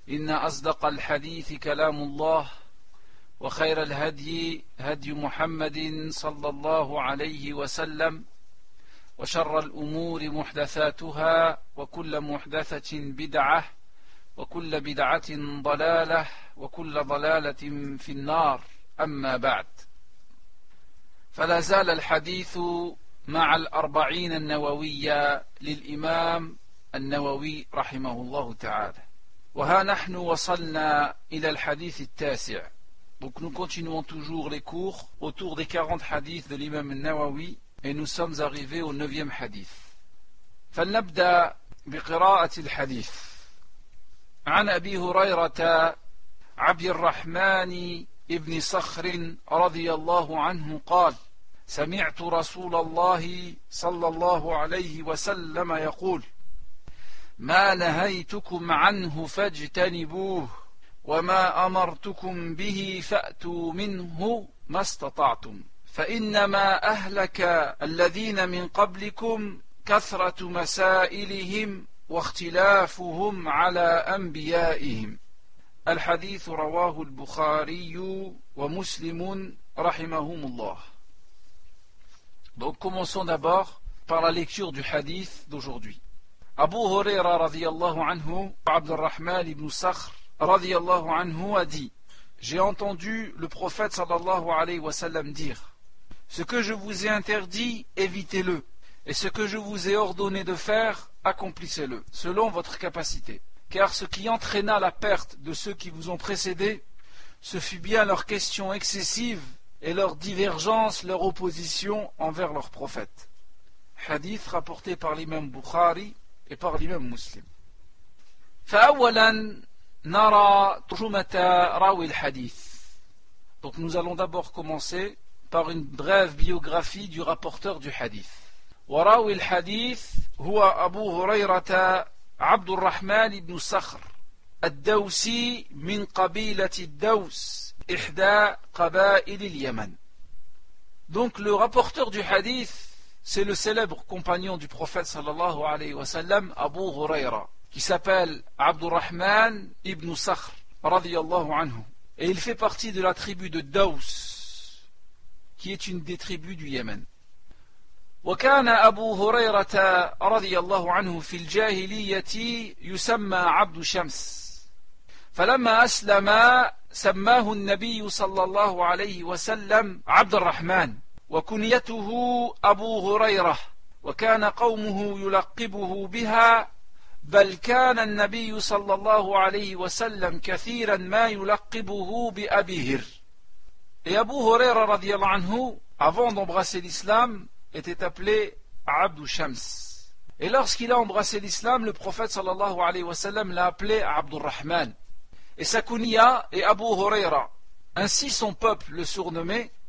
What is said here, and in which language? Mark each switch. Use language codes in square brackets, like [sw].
[ar] إن أصدق الحديث كلام الله، وخير الهدي هدي محمد صلى الله عليه وسلم، وشر الأمور محدثاتها، وكل محدثة بدعة، وكل بدعة ضلالة، وكل ضلالة في النار، أما بعد. فلا زال الحديث مع الأربعين النووية للإمام النووي رحمه الله تعالى، وها نحن وصلنا إلى الحديث التاسع. [fr] Donc nous continuons toujours les cours autour des 40 hadiths de l'imam النووي et nous sommes arrivés au 9e hadith. [ar] فلنبدأ بقراءة الحديث. عن أبي هريرة عبد الرحمن ابن صخر رضي الله عنه قال سمعت رسول الله صلى الله عليه وسلم يقول ما نهيتكم عنه فاجتنبوه وما أمرتكم به فأتوا منه ما استطعتم فإنما أهلك الذين من قبلكم كثرة مسائلهم واختلافهم على أنبيائهم. الحديث رواه البخاري ومسلم رحمهم الله. [fr] Donc commençons d'abord par la lecture du hadith d'aujourd'hui. Abu Huraira [ar] رضي الله عنه [fr] عبد الرحمن بن صخر رضي الله عنه a dit: J'ai entendu le prophète sallallahu alayhi wa sallam dire: Ce que je vous ai interdit, évitez-le, et ce que je vous ai ordonné de faire, accomplissez-le selon votre capacité. Car ce qui entraîna la perte de ceux qui vous ont précédé, ce fut bien leur question excessive et leur divergence, leur opposition envers leur prophète. Hadith rapporté par l'imam Bukhari et par l'imam Muslim. [ar] Fa'awalan nara tujumata rawi al-hadith. [fr] Donc nous allons d'abord commencer par une brève biographie du rapporteur du hadith. [ar] Wa rawi al-hadith huwa Abu Hurayrata عبد الرحمن بن صخر الدوسي من قبيلة الدوس إحدى قبائل اليمن. [fr] Donc le rapporteur du hadith, c'est le célèbre compagnon du prophète sallallahu alayhi wa sallam, Abu Huraira, qui s'appelle عبد الرحمن ibn صخر رضي الله عنه. Et il fait partie de la tribu de Daous, qui est une des tribus du Yémen. [ar] وكان أبو هريرة رضي الله عنه في الجاهلية يسمى عبد شمس فلما أسلم سماه النبي صلى الله عليه وسلم عبد الرحمن وكنيته أبو هريرة وكان قومه يلقبه بها بل كان النبي صلى الله عليه وسلم كثيرا ما يلقبه بأبي هر. [fr] أبو هريرة [ar] رضي الله عنه [fr] avant d'embrasser l'islam était appelé Abd al-Shams. Et lorsqu'il a embrassé l'islam, le prophète sallallahu alayhi wa sallam l'a appelé Abd al-Rahman. Et sa kunya est Abu Huraira. Ainsi son peuple le surnommait.